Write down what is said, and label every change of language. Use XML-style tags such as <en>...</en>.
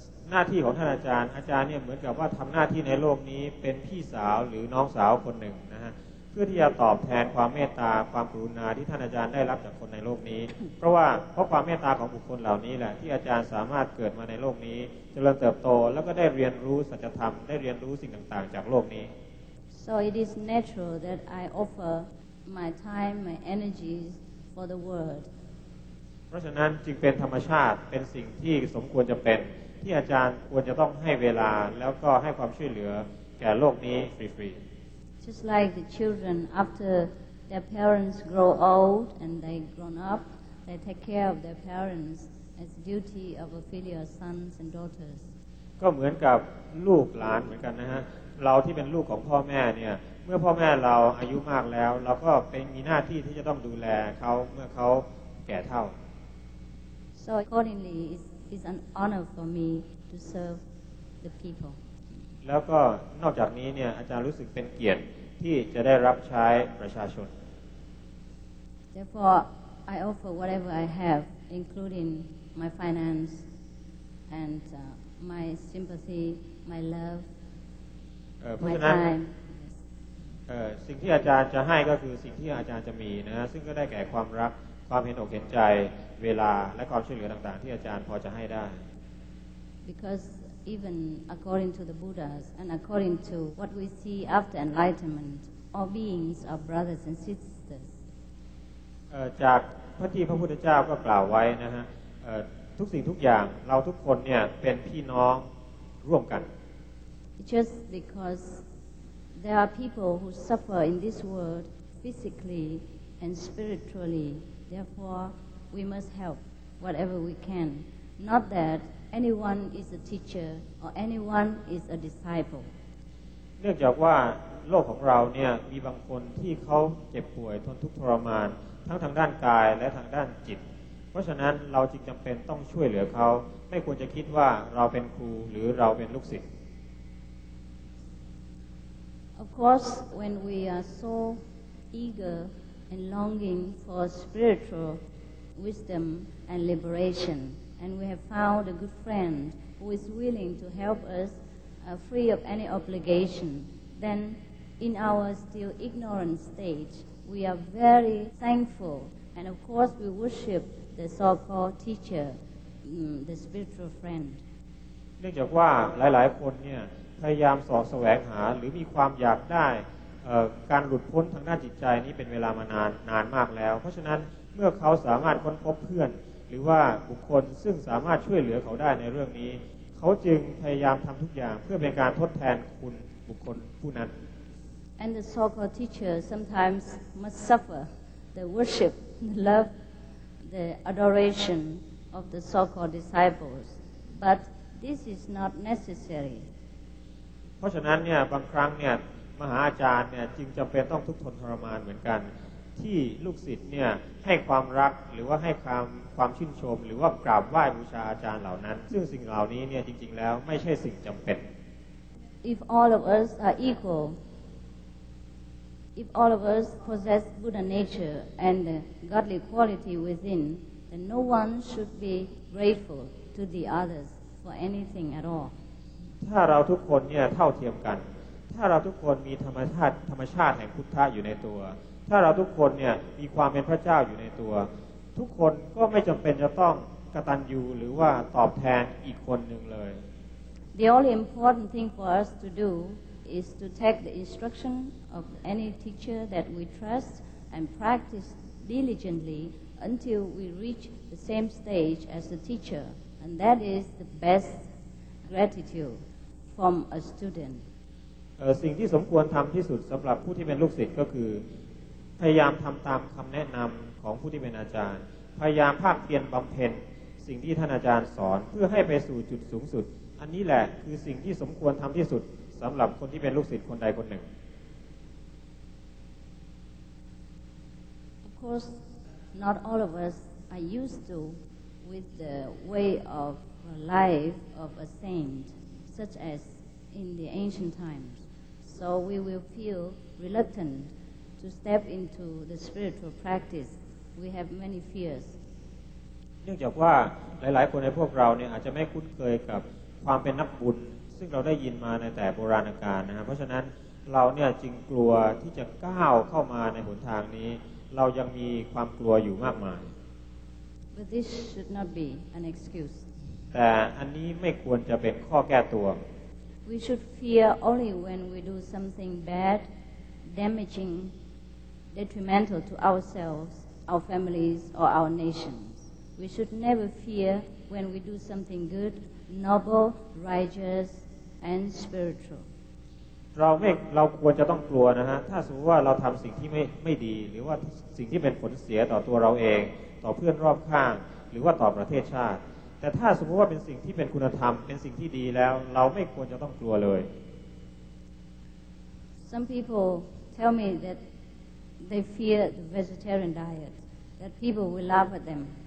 <th>หน้าที่ของท่านอาจารย์อาจารย์เนี่ยเหมือนกับว่าทำหน้าที่ในโลกนี้เป็นพี่สาวหรือน้องสาวคนหนึ่งนะฮะเพื่อที่จะตอบแทนความเมตตาความกรุณาที่ท่านอาจารย์ได้รับจากคนในโลกนี้ เพราะว่าเพราะความเมตตาของบุคคลเหล่านี้แหละที่อาจารย์สามารถเกิดมาในโลกนี้เจริญเติบโตแล้วก็ได้เรียนรู้สัจธรรมได้เรียนรู้สิ่งต่างๆจากโลกนี้</th> <en>So it is natural that I offer my time, my energies for the world.</en> <th>เพราะฉะนั้นจึงเป็นธรรมชาติเป็นสิ่งที่สมควรจะเป็นที่อาจารย์ควรจะต้องให้เวลาแล้วก็ให้ความช่วยเหลือแก่โลกนี้ฟรี</th> <en>ๆ Just like the children after their parents grow old and they grown up, they take care of their parents as duty of a filial sons and daughters.</en> <th>ก็เหมือนกับลูกหลานเหมือนกันนะฮะเราที่เป็นลูกของพ่อแม่เนี่ยเมื่อพ่อแม่เราอายุมากแล้วเราก็เป็นมีหน้าที่ที่จะต้องดูแลเขาเมื่อเขาแก่เท่า</th> <en>So accordingly it's an honor for me to serve the people</en> <th>แล้วก็นอกจากนี้เนี่ยอาจารย์รู้สึกเป็นเกียรติที่จะได้รับใช้ประชาชน</th> <en>Therefore I offer whatever I have including my finance and my sympathy my love</en> <th>เพราะฉะนั้นสิ่งที่อาจารย์จะให้ก็คือสิ่งที่อาจารย์จะมีนะซึ่งก็ได้แก่ความรักความเห็นอกเห็นใจเวลาและความช่วยเหลือต่างๆที่อาจารย์พอจะให้ได้</th> <en>Because even according to the Buddhas and according to what we see after enlightenment all beings are brothers and sisters</en> <th>จากพระที่พระพุทธเจ้าก็กล่าวไว้นะฮะทุกสิ่งทุกอย่างเราทุกคนเนี่ยเป็นพี่น้องร่วมกัน</th> <en>Just because there are people who suffer in this world physically and spiritually, therefore we must help whatever we can. Not that anyone is a teacher or anyone is a disciple.</en> <th>เนื่องจากว่าโลกของเราเนี่ยมีบางคนที่เขาเจ็บป่วยทนทุกข์ทรมานทั้งทางด้านกายและทางด้านจิตเพราะฉะนั้นเราจึงจำเป็นต้องช่วยเหลือเขาไม่ควรจะคิดว่าเราเป็นครูหรือเราเป็นลูกศิษย์</th> <en>Of course, when we are so eager and longing for spiritual wisdom and liberation, and we have found a good friend who is willing to help us free of any obligation, then in our still ignorant state, we are very thankful. And of course, we worship the so-called teacher, the spiritual friend.</en> <th>เนื่องจากว่าหลายๆคนเนี่ยพยายามสอบแสวงหาหรือมีความอยากได้การหลุดพ้นทางด้านจิตใจนี้เป็นเวลามานานนานมากแล้วเพราะฉะนั้นเมื่อเขาสามารถค้นพบเพื่อนหรือว่าบุคคลซึ่งสามารถช่วยเหลือเขาได้ในเรื่องนี้เขาจึงพยายามทำทุกอย่างเพื่อเป็นการทดแทนคุณบุคคลผู้นั้น</th> <en>And the so-called teacher sometimes must suffer the worship, the love, the adoration of the so-called disciples, but this is not necessary.</en> <th>เพราะฉะนั้นเนี่ยบางครั้งเนี่ยมหาอาจารย์เนี่ยจึงจำเป็นต้องทุกข์ทนทรมานเหมือนกันที่ลูกศิษย์เนี่ยให้ความรักหรือว่าให้ความชื่นชมหรือว่ากราบไหว้บูชาอาจารย์เหล่านั้นซึ่งสิ่งเหล่านี้เนี่ยจริงๆแล้วไม่ใช่สิ่งจำเป็น</th> <en>If all of us are equal if all of us possess Buddha nature and godly quality within then no one should be grateful to the others for anything at all</en> <th>ถ้าเราทุกคนเนี่ยเท่าเทียมกันถ้าเราทุกคนมีธรรมชาติแห่งพุทธะอยู่ในตัวถ้าเราทุกคนเนี่ยมีความเป็นพระเจ้าอยู่ในตัวทุกคนก็ไม่จำเป็นจะต้องกตัญญูหรือว่าตอบแทนอีกคนหนึ่งเลย</th> <en>The only important thing for us to do is to take the instruction of any teacher that we trust and practice diligently until we reach the same stage as the teacher and that is the bestgratitude from a student</en> <th>สิ่งที่สมควรทำที่สุดสำหรับผู้ที่เป็นลูกศิษย์ก็คือพยายามทำตามคำแนะนำของผู้ที่เป็นอาจารย์พยายามภาคเพียรบำเพ็ญสิ่งที่ท่านอาจารย์สอนเพื่อให้ไปสู่จุดสูงสุดอันนี้แหละคือสิ่งที่สมควรทำที่สุดสำหรับคนที่เป็นลูกศิษย์คนใดคนหนึ่ง</th> <en>Of course not all of us are used to with the way of life of a saint such as in the ancient times so we will feel reluctant to step into the spiritual practice we have many fears</en> <th>เนื่องจากว่าหลายๆคนในพวกเราเนี่ยอาจจะไม่คุ้นเคยกับความเป็นนักบุญซึ่งเราได้ยินมาในแต่โบราณกาลนะครับเพราะฉะนั้นเราเนี่ยจึงกลัวที่จะก้าวเข้ามาในหนทางนี้เรายังมีความกลัวอยู่มากมาย</th> <en>But this should not be an excuse</en> <th>แต่อันนี้ไม่ควรจะเป็นข้อแก้ตัว</th> <en>We should fear only when we do something bad damaging detrimental to ourselves our families or our nationWe should never fear when we do something good, noble, righteous, and spiritual.</en> <th>เราควรจะต้องกลัวนะฮะถ้าสมมติว่าเราทำสิ่งที่ไม่ดีหรือว่าสิ่งที่เป็นผลเสียต่อตัวเราเองต่อเพื่อนรอบข้างหรือว่าต่อประเทศชาติแต่ถ้าสมมติว่าเป็นสิ่งที่เป็นคุณธรรมเป็นสิ่งที่ดีแล้วเราไม่ควรจะต้องกลัวเลย</th> <en>Some people tell me that they fear the vegetarian diet, that people will laugh at them.</en>